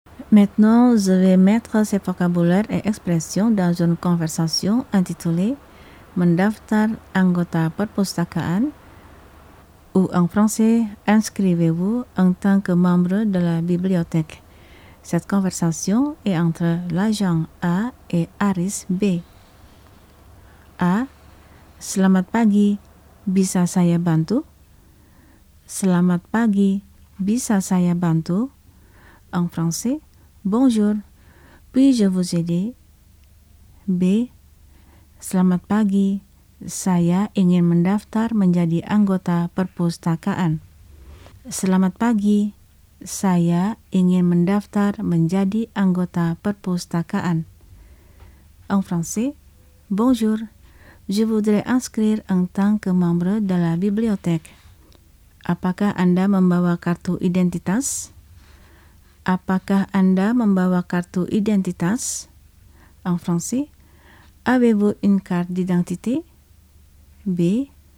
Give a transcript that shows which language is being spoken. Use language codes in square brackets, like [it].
[fr] Maintenant, je vais mettre ces vocabulaires et expressions dans une conversation intitulée [id] Mendaftar anggota perpustakaan [fr] ou en français, inscrivez-vous en tant que membre de la bibliothèque. Cette conversation est entre l'agent A et Aris B. A. [id] Selamat pagi, bisa saya bantu? Selamat pagi, bisa saya bantu? [fr] En français, bonjour, puis-je vous aider? B. [id] Selamat pagi, saya ingin mendaftar menjadi anggota perpustakaan. Selamat pagi, saya ingin mendaftar menjadi anggota perpustakaan. [fr] En français, bonjour, je voudrais inscrire en tant que membre de la bibliothèque. [id] Apakah Anda membawa kartu identitas? Apakah Anda membawa kartu identitas? [fr] En français, avez-vous une carte d'identité? B.